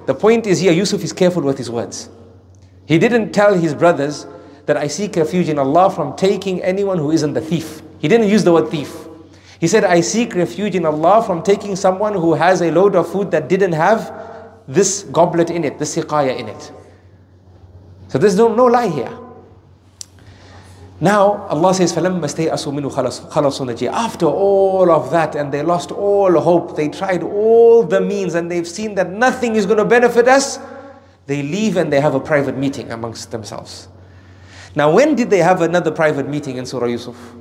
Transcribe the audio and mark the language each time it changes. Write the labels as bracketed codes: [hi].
[en] The point is here, Yusuf is careful with his words. He didn't tell his brothers that I seek refuge in Allah from taking anyone who isn't the thief. He didn't use the word thief. He said, I seek refuge in Allah from taking someone who has a load of food that didn't have this goblet in it, the siqaya in it. So there's no lie here. Now, Allah says, [ar] فَلَمَّا اسْتَيْأَسُوا مِنْهُ خَلَصُوا نَجِيًّا. [en] After all of that, and they lost all hope, they tried all the means, and they've seen that nothing is going to benefit us, they leave and they have a private meeting amongst themselves. Now, when did they have another private meeting in Surah Yusuf?